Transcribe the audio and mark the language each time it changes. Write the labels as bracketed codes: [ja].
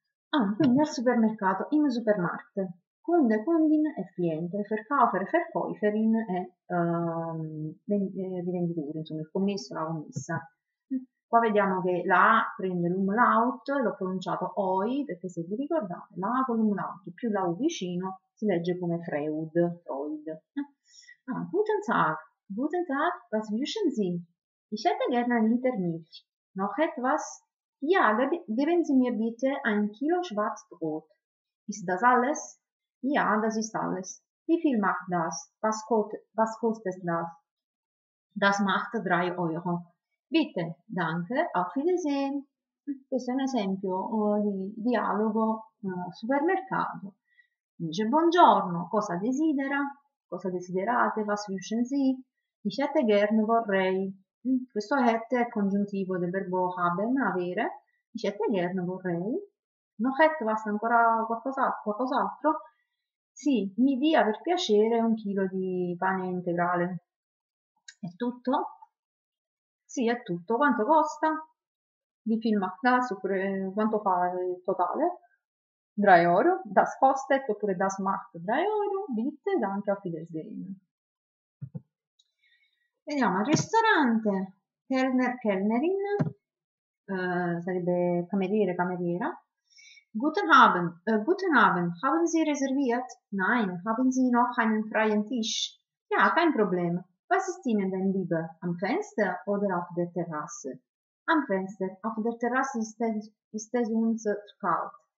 [it] Ah, quindi al supermercato, in supermarket, Kunde, Kundin è cliente, Verkäufer, Verkäuferin è rivenditore, insomma, il commesso, la commessa. Qua vediamo che la A prende l'umlaut, l'ho pronunciato oi, perché se vi ricordate, la A con l'umlaut più la U vicino si legge come Freud, Freud. [de] Ah, guten Tag, guten Tag, was wünschen Sie? Ich hätte gerne 1 Liter Milch. Noch etwas? Ja, geben Sie mir bitte 1 Kilo Schwarzbrot. Ist das alles? Ja, das ist alles. Wie viel macht das? Was kostet das? Das macht 3 Euro. Bitte, danke, auf Wiedersehen. [it] Questo è un esempio di dialogo supermercato. Dice, buongiorno, cosa desidera? Cosa desiderate? [de] Was wünschen Sie? Ich hätte gern, [it] vorrei. Questo hätte è congiuntivo del verbo haben, avere. [de] Ich hätte gern, vorrei. Noch etwas, [it] ancora qualcos'altro? Sì, mi dia per piacere 1 chilo di pane integrale. È tutto? Sì, è tutto. Quanto costa? [de] Wie viel macht das? [it] Oppure quanto fa il totale? [de] 3 euro, das kostet oppure das macht 3 euro, bitte, danke, auf Wiedersehen. [it] Vediamo, ristorante, Kellner, Kellnerin, sarebbe cameriere, cameriera. [de] Guten Abend, haben Sie reserviert? Nein, haben Sie noch einen freien Tisch? Ja, kein Problem. Was ist Ihnen denn lieber, am Fenster oder auf der Terrasse? Am Fenster, auf der Terrasse ist es uns zu kalt.